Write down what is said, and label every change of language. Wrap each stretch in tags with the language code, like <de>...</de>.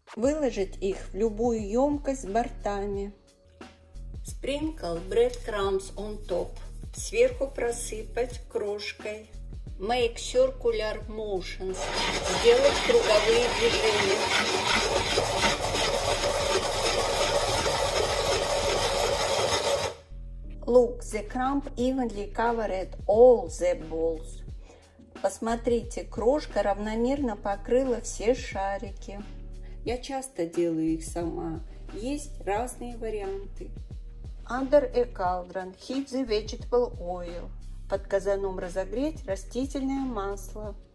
<ru>Выложить их в любую емкость с бортами.</ru> <en>Sprinkle breadcrumbs on top.</en> <ru>Сверху просыпать крошкой.</ru> <en>Make circular motions.</en> <ru>Сделать круговые движения.</ru> <en>Look, the crumb evenly covered all the balls.</en> <ru>Посмотрите, крошка равномерно покрыла все шарики. Я часто делаю их сама. Есть разные варианты.</ru> <en>Under a cauldron, heat the vegetable oil.</en> <ru>Под казаном разогреть растительное масло.</ru>